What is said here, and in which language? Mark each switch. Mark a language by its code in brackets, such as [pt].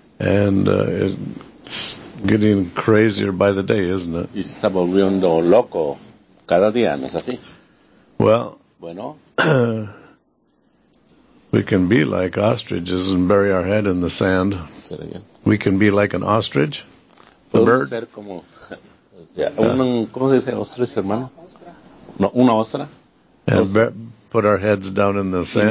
[en] And it's getting crazier by the day, isn't it? [es] Y se está volviendo loco cada día, ¿no es así? [en] Well. [es] Bueno. [en] We can be like ostriches and bury our head in the sand. Say it again. We can be like an ostrich, a bird. [es] Ser como, ¿cómo se dice ostrich, hermano? No, una ostra. [en] And put our heads down in the sand.